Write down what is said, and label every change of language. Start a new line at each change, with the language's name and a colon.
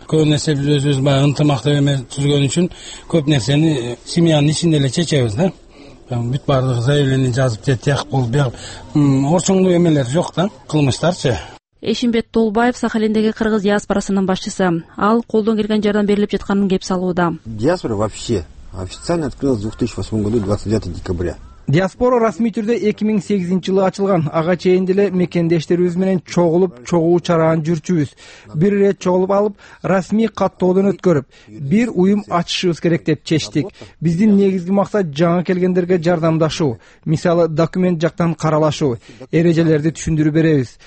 Kyrgyz: Көбүн эсе биз өзүбүз баягы ынтымак деп эме түзгөн үчүн көп нерсени семьянын ичинде эле чечебиз да. Бүт баардыгы заявление жазып же тияк болуп бияк орчоңдуу эмелер жок да, кылмыштарчы. Эшимбет Толбаев Сахалиндеги кыргыз диаспорасынын башчысы. Ал колдон келген жардам берилип жатканын кеп салууда.
Russian: Диаспора вообще официально открылась в 2008 году 29 декабря.
Kyrgyz: Диаспора расмий түрдө 2008 жылы ачылган. Ага чейин деле мекендештерибиз менен чогулуп, чогуу чараан жүрчүбүз. Бир ирет чогулуп алып, расмий каттоодон өткөрүп, бир уюм ачышыбыз керек деп чечтик. Биздин негизги максат жаңы келгендерге жардамдашуу. Мисалы, документ жактан каралашуу, эрежелерди түшүндүрүп беребиз.